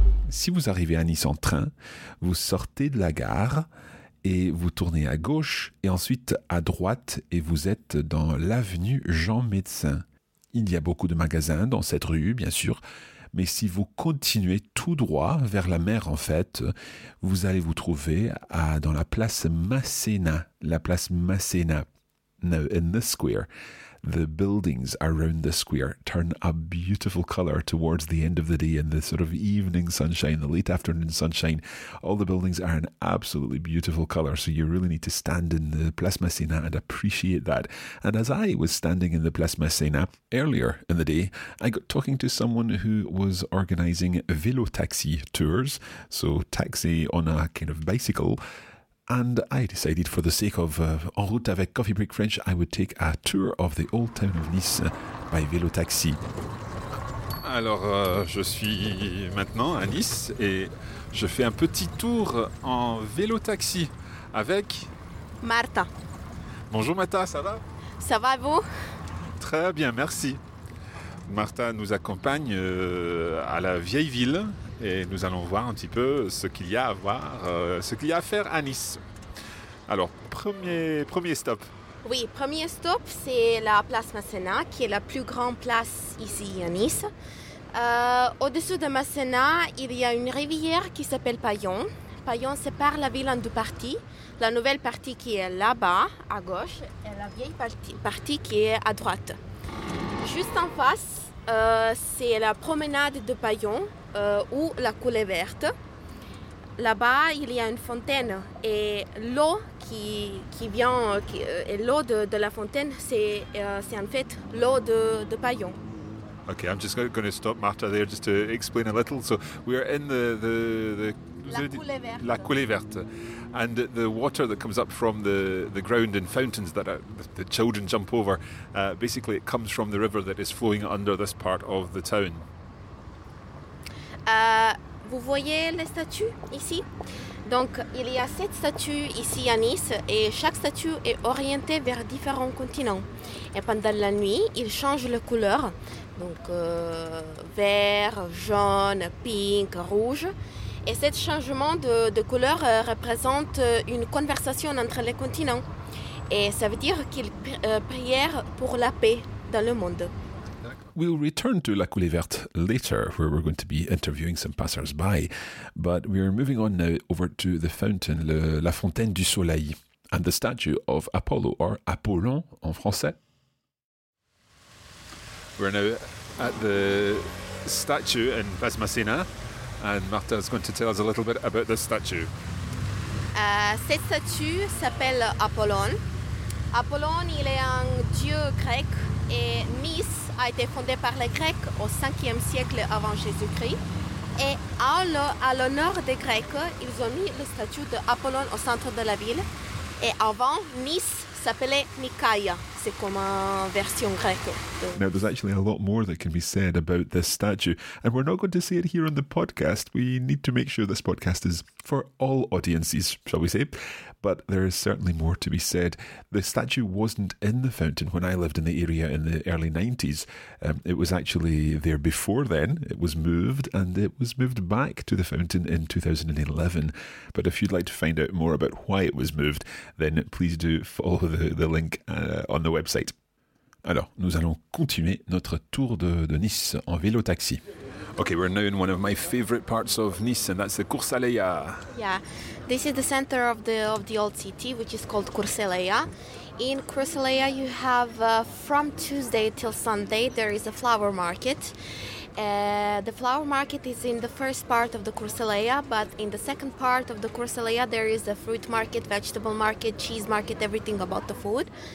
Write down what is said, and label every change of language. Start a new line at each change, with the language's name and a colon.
French: Si vous arrivez à Nice en train, vous sortez de la gare et vous tournez à gauche et ensuite à droite et vous êtes dans l'avenue Jean Médecin. Il y a beaucoup de magasins dans cette rue, bien sûr, mais si vous continuez tout droit vers la mer, en fait, vous allez vous trouver dans la place Masséna. La place Masséna.
English: Now, in this square, the buildings around the square turn a beautiful color towards the end of the day in the sort of evening sunshine, the late afternoon sunshine. All the buildings are an absolutely beautiful color, so you really need to stand in the Place Masséna and appreciate that. And as I was standing in the Place Masséna earlier in the day, I got talking to someone who was organizing vélo taxi tours, so taxi on a kind of bicycle. And I decided for the sake of En Route avec Coffee Break French, I would take a tour of the old town of Nice by vélo taxi.
French: Alors, je suis maintenant à Nice et je fais un petit tour en vélo taxi avec... Martha. Bonjour Martha, ça va? Ça va, vous? Très bien, merci. Martha nous accompagne à la vieille ville. Et nous allons voir un petit peu ce qu'il y a à voir, ce qu'il y a à faire à Nice. Alors, premier stop. Oui, premier stop, c'est la place Masséna, qui est la plus grande place ici à Nice. Au-dessous de Masséna, il y a une rivière qui s'appelle Paillon. Paillon sépare la ville en deux parties. La nouvelle partie qui est là-bas, à gauche, et la vieille partie qui est à droite. Juste en face, c'est la promenade de Paillon. Ou la coulée verte. Là-bas, il y a une fontaine et l'eau qui vient, et l'eau de la fontaine, c'est en fait l'eau de Paillon.
English: Okay, I'm just going to stop Martha there just to explain a little. So we are in the
French: La coulée verte.
English: And the water that comes up from the ground and fountains that the children jump over, basically it comes from the river that is flowing under this part of the town.
French: Vous voyez les statues ici? Donc, il y a 7 statues ici à Nice et chaque statue est orientée vers différents continents. Et pendant la nuit, ils changent les couleurs. Donc, vert, jaune, pink, rouge. Et ce changement de couleur représente une conversation entre les continents. Et ça veut dire qu'ils prièrent pour la paix dans le monde.
English: We'll return to La Coulée Verte later, where we're going to be interviewing some passers-by. But we're moving on now over to the fountain, La Fontaine du Soleil, and the statue of Apollo, or Apollon
French: en français.
English: We're now at the statue in Vasmacena, and Martha is going to tell us a little bit about this statue.
French: Cette statue s'appelle Apollon. Apollon, il est un dieu grec, et Nice a été fondée par les Grecs au 5e siècle avant Jésus-Christ. Et à l'honneur des Grecs, ils ont mis le statue d'Apollon au centre de la ville. Et avant, Nice s'appelait Nikaia. C'est comme une version grecque.
English: Now, there's actually a lot more that can be said about this statue. And we're not going to say it here on the podcast. We need to make sure this podcast is for all audiences, shall we say. But there is certainly more to be said. The statue wasn't in the fountain when I lived in the area in the early 90s. It was actually there before then. It was moved, and it was moved back to the fountain in 2011. But if you'd like to find out more about why it was moved, then please do follow the link on the website.
French: Alors, nous allons continuer notre tour de Nice en vélo-taxi.
English: Okay, we're now in one of my favorite parts of Nice, and that's the Cursaleia. Yeah, this is the center of the old city, which is called Cursaleia. In Cursaleia, you have from Tuesday till Sunday, there is a flower market. The flower market is in the first part of the Cursaleia, but in the second part of the Cursaleia, there is a fruit market, vegetable market, cheese market, everything about the food.